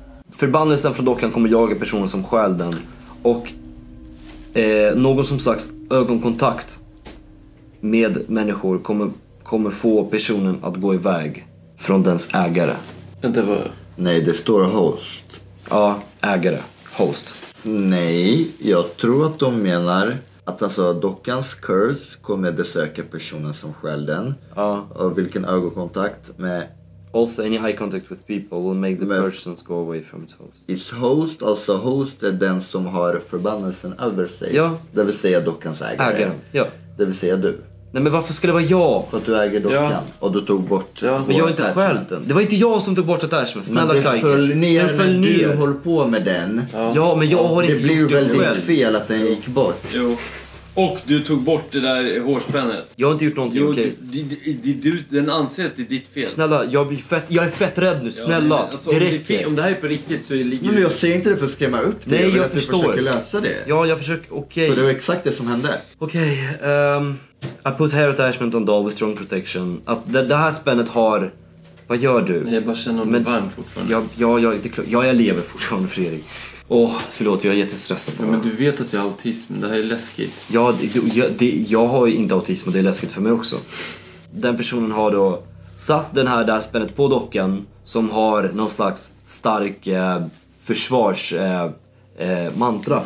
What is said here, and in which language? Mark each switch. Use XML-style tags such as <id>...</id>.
<sv>Förbannelsen från dockan kommer jaga personen som stjäl den. Och någon som sagt ögonkontakt med människor kommer få personen att gå iväg från dens ägare. Vänta, vad? Nej, det står host. Ja, ägare. Host. Nej, jag tror att de menar att alltså dockans curse kommer besöka personen som stjäl den. Ja. Och vilken ögonkontakt med...</sv> <en>Also, any eye contact with people will make the person go away from its host.</en> <sv>Its host, alltså host, är den som har förbannelsen över sig. Ja. Det vill säga dockans ägare. Ägaren, ja. Det vill säga du. Nej, men varför skulle det vara jag? För att du äger dockan. Ja. Och du tog bort... Ja, men jag har inte skällt den. Det var inte jag som tog bort ett attachment. Snälla, men det föll ner när du höll på med den. Ja, men jag har inte gjort det själv. Det blev väldigt fel att den gick bort. Jo. Och du tog bort det där hårspännet. Jag har inte gjort någonting, okej. Den anser att det är ditt fel. Snälla, jag är fett rädd nu, snälla. Ja, men, alltså, om det här är på riktigt så ligger... Nej, men jag ser inte det för att skrämma upp det. Nej, jag att förstår. Jag försöker lösa det. Ja, jag försöker, okej. För det var exakt det som hände.</sv> <en>Okej, I put hair attachment on doll with strong protection.</en> <sv>Att det här spännet har... Vad gör du? Nej, jag bara känner mig varm fortfarande. Jag lever fortfarande, Fredrik. Åh, förlåt, jag är jättestressad. Ja, men du vet att jag har autism, det här är läskigt. Ja, jag har ju inte autism och det är läskigt för mig också. Den personen har då satt den här där spännet på dockan som har någon slags stark försvarsmantra.</sv>